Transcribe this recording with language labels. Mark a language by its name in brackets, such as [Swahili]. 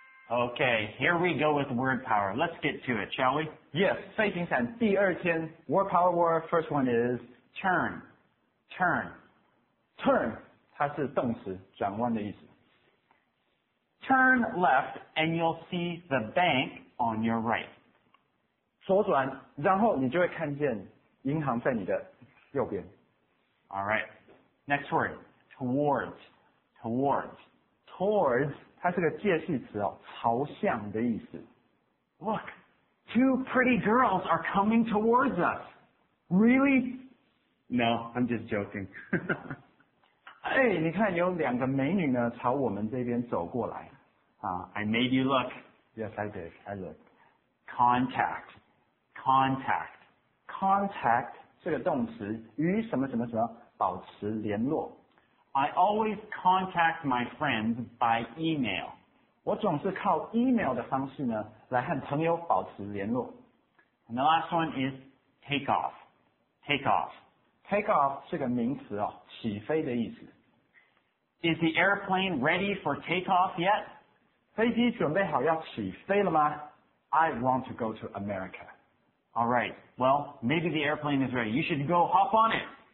[English] Okay, here we go with word power. Let's get to it, shall we? Yes, [Chinese] 飞行伞第二天 [English] word power word, first one is turn. Turn. [Chinese] Turn, 它是动词转弯的意思。 [English] Turn left and you'll see the bank on your right. [Chinese] 左转然后你就会看见银行在你的右边。 [English] All right. Next word, towards, towards. [Chinese] Towards, 它是个介系词哦，朝向的意思。 [English] Look, two pretty girls are coming towards us. Really? No, I'm just joking. [Chinese] 哎，你看有两个美女呢，朝我们这边走过来。 [English] I made you look. Yes, I did, I looked. Contact, contact. [Chinese] Contact, 是个动词，与什么什么什么。保持联络。 [English] I always contact my friends by email. [Chinese] 我总是靠 email 的方式呢来和朋友保持联络。 [English] And the last one is take off. Take off. [Chinese] Take off 是个名词哦，起飞的意思。 [English] Is the airplane ready for takeoff yet? [Chinese] 飞机准备好要起飞了吗? [English] I want to go to America. All right. Well, maybe the airplane is ready. You should go hop on it.